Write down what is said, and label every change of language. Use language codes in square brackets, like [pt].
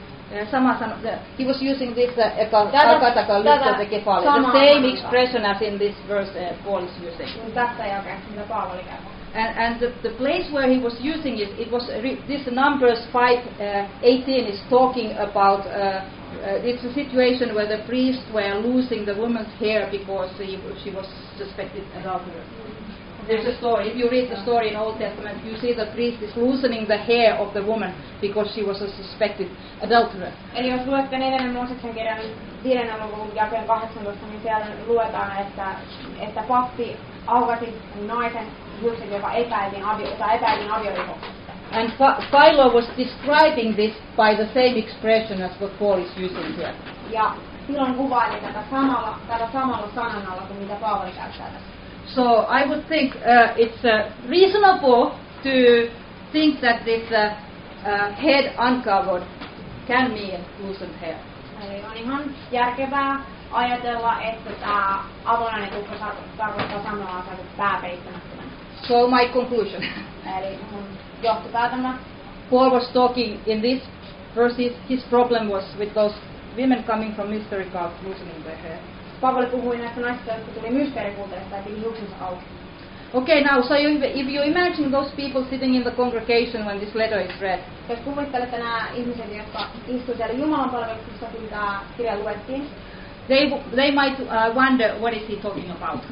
[en] He was using this akatakalypto-kefalia, the same expression as in this verse Paul is using. [fi] Tässä ei oikein, mitä Paul oli käynyt. [en] And the place where he was using it, it was this Numbers 5:18 is talking about it's a situation where the priests were losing the woman's hair because she was suspected adulterer. There's a story. If you read the story in Old Testament, you see the priest is loosening the hair of the woman because she was a suspected adulterer. [fi] Eli jos luette neljännen Mooseksen kirjan 5. luvun jakeen 18, niin siellä luetaan, että pappi aukasi naisen hiukset, joka epäiltiin aviorikoksesta. [en] And Philo was describing this by the same expression as what Paul is using here. [fi] Ja Philon kuvaili tätä samalla sananalla kuin mitä Paavali käyttää tässä. [en] So I would think it's reasonable to think that this head uncovered can mean loosened hair. [fi] Eli on ihan järkevää ajatella, että tämä avonainen tukka tarkoittaa samalla asiaa kuin pääpeittämättömän. [en] So my conclusion. [fi] Eli mun johtopäätelmä. [en] Paul was talking in this verse, his problem was with those women coming from mystery cult loosening their hair. [fi] Paavali puhui näistä naisista, jotka tuli mysteerikulttuurista ja piti hiuksensa auki. [en] Okay, now, so if you imagine those people sitting in the congregation when this letter is read. [fi] Jos kuvittelette nämä ihmiset, jotka istuivat siellä Jumalan palveluksessa, kun tämä kirja luettiin. [en] They might wonder, what is he talking about?